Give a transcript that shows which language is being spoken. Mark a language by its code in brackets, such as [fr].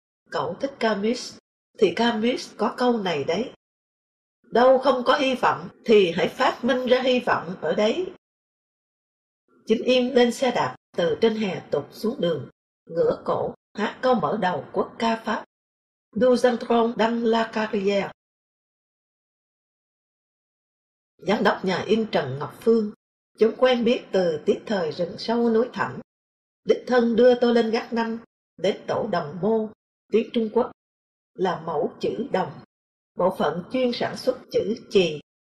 [vi] Cậu thích Camus, thì Camus có câu này đấy. Đâu không có hy vọng, thì hãy phát minh ra hy vọng ở đấy. Chính yên lên xe đạp, từ trên hè tục xuống đường, ngửa cổ, hát câu mở đầu quốc ca Pháp. [fr] Nous entrons dans la carrière. [vi] Giám đốc nhà in Trần Ngọc Phương, chúng quen biết từ tiết thời rừng sâu núi thẳm, đích thân đưa tôi lên gác năm, đến tổ đồng mô, tiếng Trung Quốc, là mẫu chữ đồng, bộ phận chuyên sản xuất chữ chì.